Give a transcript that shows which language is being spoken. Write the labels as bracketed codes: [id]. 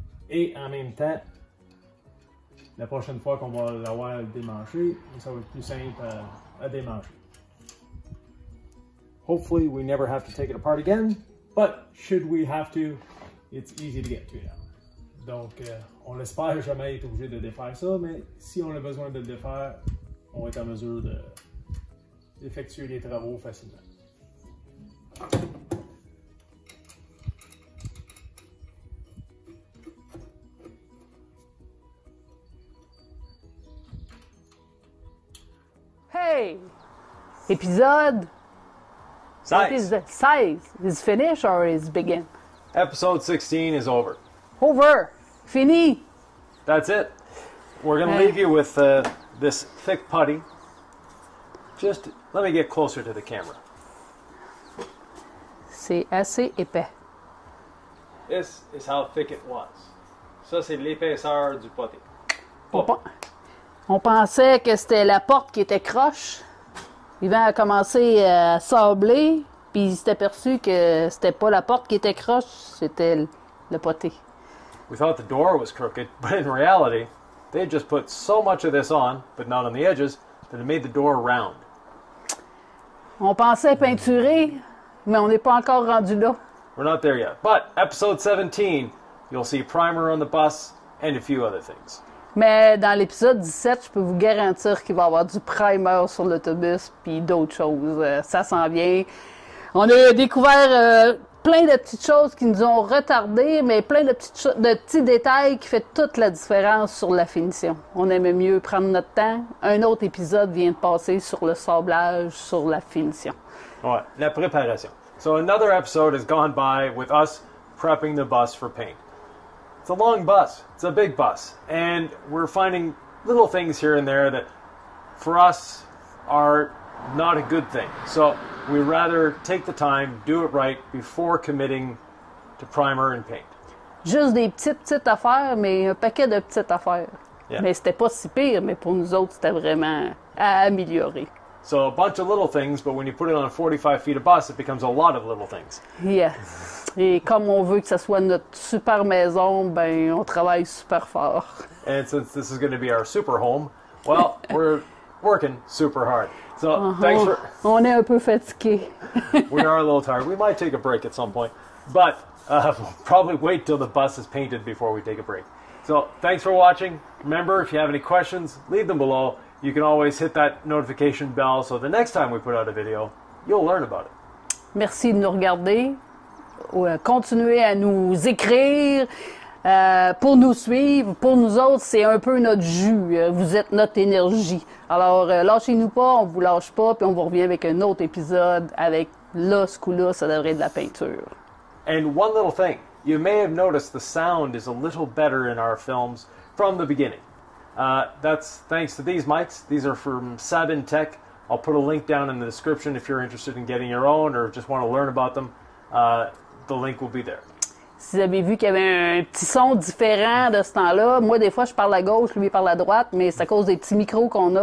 [fr] Et en même temps, la prochaine fois qu'on va l'avoir démanché, ça va être plus simple à démancher. [en] Hopefully, we never have to take it apart again, but should we have to, it's easy to get to now. [fr] Donc, on espère jamais être obligé de défaire ça, mais si on a besoin de le défaire, on va être en mesure d'effectuer les travaux facilement. [en] Hey! Episode 16. 16. Is finished or is begin? Episode 16 is over. Over. Fini. That's it. We're going to leave you with this thick putty. Just let me get closer to the camera. [fr] C'est assez épais. [en] This is how thick it was. [fr] Ça, c'est l'épaisseur du putty. On pensait que c'était la porte qui était croche. Yvan a commencé à sabler, puis il s'est aperçu que c'était pas la porte qui était croche, c'était le poté. [en] We thought the door was crooked, but in reality, they had just put so much of this on, but not on the edges, that it made the door round. [fr] On pensait peinturer, mais on n'est pas encore rendu là. [en] We're not there yet. But episode 17, you'll see primer on the bus and a few other things. [fr] Mais dans l'épisode 17, je peux vous garantir qu'il va y avoir du primer sur l'autobus puis d'autres choses. Ça s'en vient. On a découvert plein de petites choses qui nous ont retardés, mais plein de petits détails qui font toute la différence sur la finition. On aimait mieux prendre notre temps. Un autre épisode vient de passer sur le sablage, sur la finition. Ouais, la préparation. [en] So another episode has gone by with us prepping the bus for paint. It's a long bus. It's a big bus. And we're finding little things here and there that, for us, are not a good thing. So we'd rather take the time, do it right, before committing to primer and paint. [fr] Juste des petites affaires, mais un paquet de petites affaires. [en] Yeah. [fr] Mais c'était pas si pire, mais pour nous autres, c'était vraiment à améliorer. [en] So a bunch of little things, but when you put it on a 45 feet of bus, it becomes a lot of little things. Yeah. [fr] Et comme on veut que ça soit notre super maison, ben on travaille super fort. [en] And since this is going to be our super home, well, we're working super hard. So thanks for... [fr] On est un peu fatigué. [en] We are a little tired. We might take a break at some point, but we'll probably wait till the bus is painted before we take a break. So thanks for watching. Remember, if you have any questions, leave them below. You can always hit that notification bell so the next time we put out a video, you'll learn about it. [fr] Merci de nous regarder. Continuez à nous écrire pour nous suivre. Pour nous autres, c'est un peu notre jus. Vous êtes notre énergie. Alors, lâchez-nous pas, on vous lâche pas, puis on vous revient avec un autre épisode avec là, ce coup-là, ça devrait être de la peinture. [en] And one little thing. You may have noticed the sound is a little better in our films from the beginning. That's thanks to these mics. These are from Sabin Tech. I'll put a link down in the description if you're interested in getting your own or just want to learn about them. The link will be there. [fr] Si vous avez vu qu'il y avait un petit son différent de ce temps-là, moi, des fois, je parle à gauche, lui, parle à droite, mais c'est à cause des petits micros qu'on a.